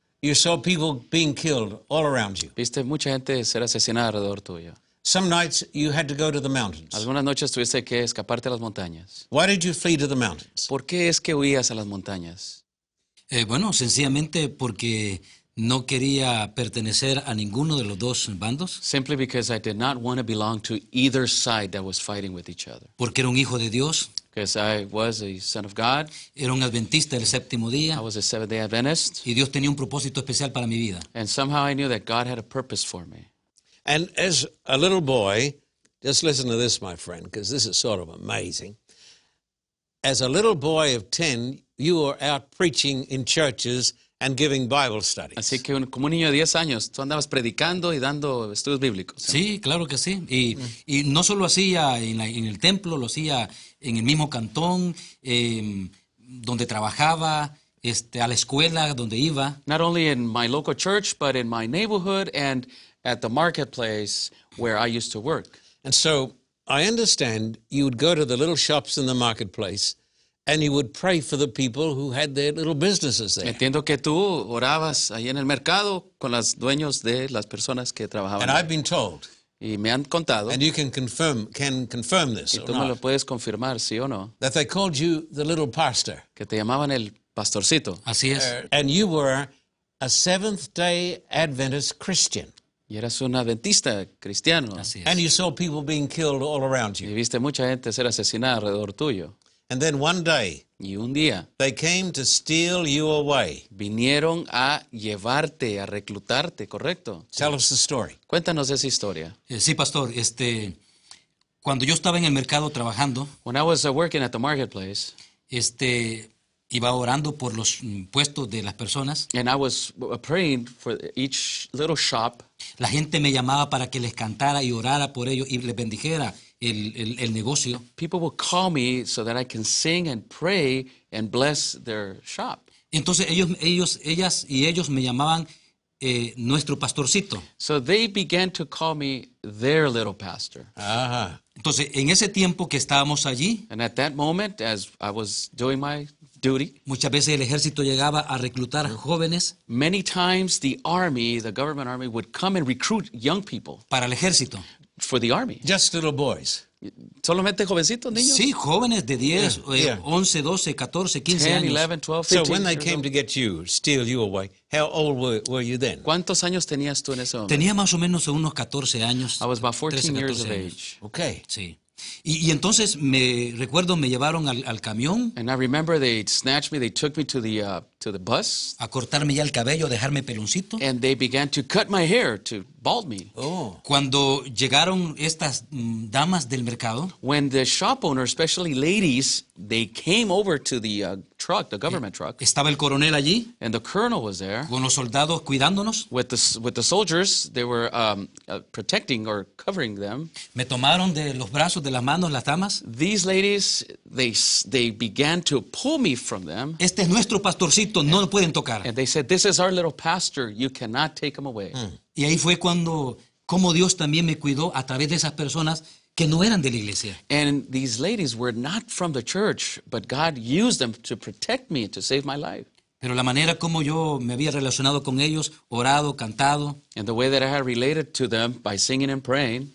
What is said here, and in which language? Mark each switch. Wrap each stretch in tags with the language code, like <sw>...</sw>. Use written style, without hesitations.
<en>You saw people being killed all around you.</en> <es>Viste mucha gente ser asesinada alrededor tuyo.</es> <en>Some nights you had to go to the mountains.</en> <es>Algunas noches tuviste que escaparte a las montañas.</es> <en>Why did you flee to the mountains?</en> <es>¿Por qué es que huías a las montañas? Bueno, sencillamente porque no quería pertenecer a ninguno de los dos bandos.</es> <en>Simply because I did not want to belong to either side that was fighting with each other.</en> <es>Porque era un hijo de Dios.</es> <en>Because I was a son of God.</en> <es>Era un adventista del séptimo día.</es> <en>I was a Seventh-day Adventist.</en> <es>Y Dios tenía un propósito especial para mi vida.</es> <en>And somehow I knew that God had a purpose for me. And as a little boy, just listen to this, my friend, because this is sort of amazing. As a little boy of 10, you were out preaching in churches and giving Bible studies.</en> <es>Así que como un niño de 10 años, tú andabas predicando y dando estudios bíblicos. Sí, claro que sí. Y no solo hacía en el templo, lo hacía en el mismo cantón, donde trabajaba. A la escuela donde iba.</es> <en>Not only in my local church, but in my neighborhood and at the marketplace where I used to work. And so I understand you would go to the little shops in the marketplace and you would pray for the people who had their little businesses there.</en> <es>Entiendo que tú orabas ahí en el mercado con los dueños de las personas que trabajaban.</es> <en>And I've been told.</en> <es>Y me han contado.</es> <en>And you can confirm this.</en> <es>Y tú me lo puedes confirmar, sí o no.</es> <en>That they called you the little pastor.</en> <es>Que te llamaban el pastorcito. Así es.</es> <en>And you were a Seventh-day Adventist Christian.</en> <es>Y eras un adventista cristiano. Así es.</es> <en>And you saw people being killed all around you.</en> <es>Y viste mucha gente ser asesinada alrededor tuyo.</es> <en>And then one day,</en> <es>y un día,</es> <en>they came to steal you away.</en> <es>Vinieron a llevarte, a reclutarte, ¿correcto?</es> <en>Tell us the story.</en> <es>Cuéntanos esa historia. Sí, pastor, cuando yo estaba en el mercado trabajando,</es> <en>when I was working at the marketplace,</en> <es>iba orando por los puestos de las personas.</es> <en>And I was praying for each little shop.</en> <es>La gente me llamaba para que les cantara y orara por ellos y les bendijera el negocio.</es> <en>People would call me so that I can sing and pray and bless their shop.</en> <es>Entonces ellas y ellos me llamaban nuestro pastorcito.</es> <en>So they began to call me their little pastor. Ajá.</en> <es>Entonces en ese tiempo que estábamos allí.</es> <en>And at that moment as I was doing my duty.</en> <es>Muchas veces el ejército llegaba a reclutar jóvenes.</es> <en>Many times the army, the government army, would come and recruit young people.</en> <es>Para el ejército.</es> <en>For the army. Just little boys.</en> <es>Solamente jovencitos, niños. Sí, jóvenes de 10, 11, 12, 14, 15 años.</es> <en>10, 11, 12, 15. So when they came to get you, steal you away, how old were you then?</en> <es>¿Cuántos años tenías tú en ese momento? Tenía más o menos unos 14 años.</es> <en>I was about 14 years of age. Okay.</en> <es>Sí. Y entonces me recuerdo me llevaron al camión.</es> <en>And I remember they snatched me, they took me to the bus.</en> <es>A cortarme ya el cabello, dejarme peloncito.</es> <en>And they began to cut my hair, to bald me. Oh.</en> <es>Cuando llegaron estas damas del mercado.</es> <en>When the shop owner, especially ladies, they came over to the truck, the government truck.</en> <es>Estaba el coronel allí.</es> <en>And the colonel was there.</en> <es>Con los soldados cuidándonos.</es> <en>With the soldiers, they were protecting or covering them.</en> <es>Me tomaron de los brazos, de las manos, las damas.</es> <en>These ladies, they began to pull me from them.</en> <es>Este es nuestro pastorcito, no lo pueden tocar.</es> <en>And they said, this is our little pastor, you cannot take him away.</en> <es>Y ahí fue cuando, como Dios también me cuidó a través de esas personas que no eran de la iglesia.</es> <en>And these ladies were not from the church, but God used them to protect me, to save my life.</en> <es>Pero la manera como yo me había relacionado con ellos, orado, cantado,</es> <en>and the way that I had related to them by singing and praying,</en>